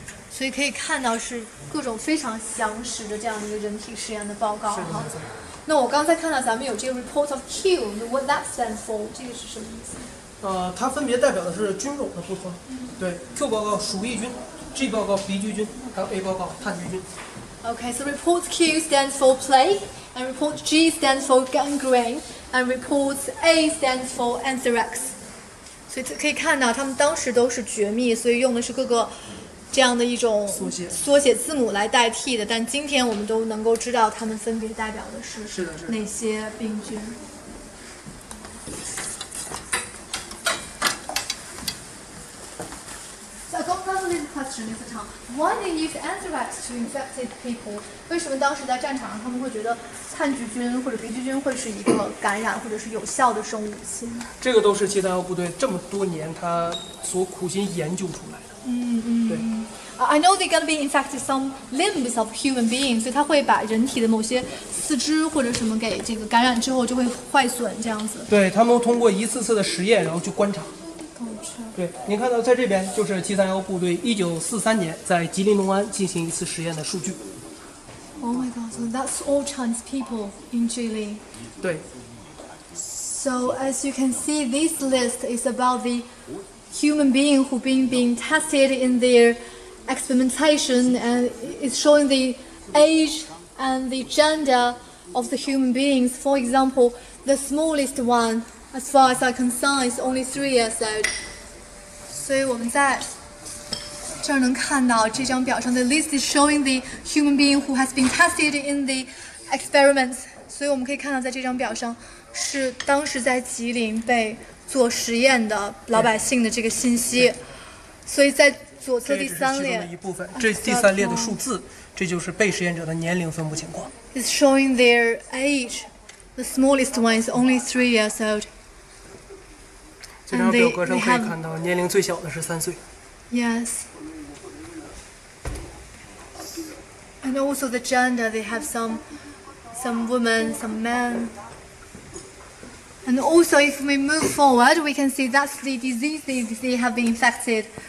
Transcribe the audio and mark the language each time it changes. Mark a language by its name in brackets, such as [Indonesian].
[Chinese] 所以可以看到是各种非常详实的这样一个人体实验的报告哈。那我刚才看到咱们有这个 [English] report of Q, what that stands for, [Chinese] 这个是什么意思？它分别代表的是菌种的不同。嗯、对 ，Q 报告鼠疫菌 ，G 报告鼻疽菌，还有 A 报告炭疽菌。 [English] Okay, so report Q stands for plague, and report G stands for gangrene, and report A stands for anthrax. [Chinese] 所以可以看到他们当时都是绝密，所以用的是各个。这样的一种缩写字母来代替的，但今天我们都能够知道它们分别代表的是哪些病菌。 [English] So I got another question, Mr. Tang. Why they use anthrax to infected people? [Chinese] 为什么当时在战场上他们会觉得炭疽菌或者鼻疽菌会是一个感染或者是有效的生物武器？这个都是731部队这么多年他所苦心研究出来的。嗯嗯， [English] I know they're gonna be infected some limbs of human beings, [Chinese] 所以他会把人体的某些四肢或者什么给这个感染之后就会坏损这样子。对，他们通过一次次的实验，然后去观察。对，您看到在这边就是731部队1943年在吉林农安进行一次实验的数据。 [English] Oh my God, so that's all Chinese people in Jilin. [Chinese] 对。 [English] So as you can see, this list is about the. Human being who being tested in their experimentation and is showing the age and the gender of the human beings. For example, the smallest one, as far as I can see, is only 3 years old. [Chinese] 所以我们在这儿能看到这张表上的 [English] list is showing the human being who has been tested in the experiments. [Chinese] 所以我们可以看到在这张表上是当时在吉林被。做实验的老百姓的这个信息，所以在左侧第三列，这是其中的一部分。这第三列的数字，这就是被实验者的年龄分布情况。 [English] It's showing their age. The smallest one is only 3 years old. [Chinese] 这张表格上可以看到，年龄最小的是三岁。 [English] Yes. And also the gender, they have some women, some men. And also, if we move forward, we can see that's the disease they have been infected.